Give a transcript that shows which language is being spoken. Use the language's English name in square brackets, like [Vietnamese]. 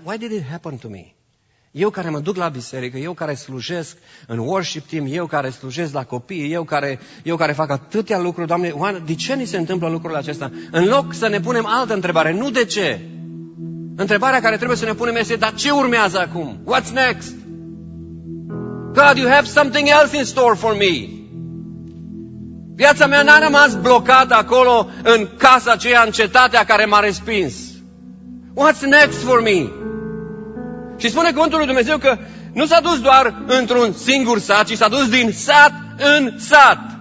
[English] Why did it happen to me? [Romanian] Eu care mă duc la biserică, eu care slujesc în worship team, eu care slujesc la copii, eu care fac atâtea lucruri, Doamne, de ce ni se întâmplă lucrurile acestea? În loc să ne punem altă întrebare, nu de ce? Întrebarea care trebuie să ne punem este, dar ce urmează acum? [English] What's next? God, you have something else in store for me. [Romanian] Viața mea n-a rămas blocată acolo, în casa aceea, în cetatea care m-a respins. [English] What's next for me? [Romanian] Și spune cuvântul lui Dumnezeu că nu s-a dus doar într-un singur sat, ci s-a dus din sat în sat.